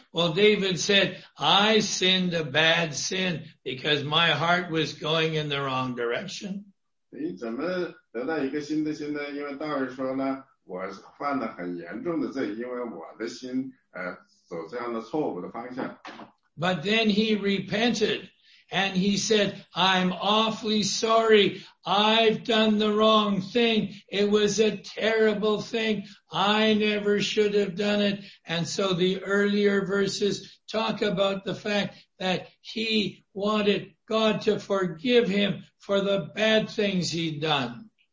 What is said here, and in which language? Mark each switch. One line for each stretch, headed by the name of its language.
English: Well, David said, "I sinned a bad sin because my heart was going in the wrong direction."
Chinese: 因为大卫说呢，我犯了很严重的罪，因为我的心走向了错误的方向。
English: But then he repented, and he said, "I'm awfully sorry. I've done the wrong thing. It was a terrible thing. I never should have done it." And so the earlier verses talk about the fact that he wanted God to forgive him for the bad things he'd done.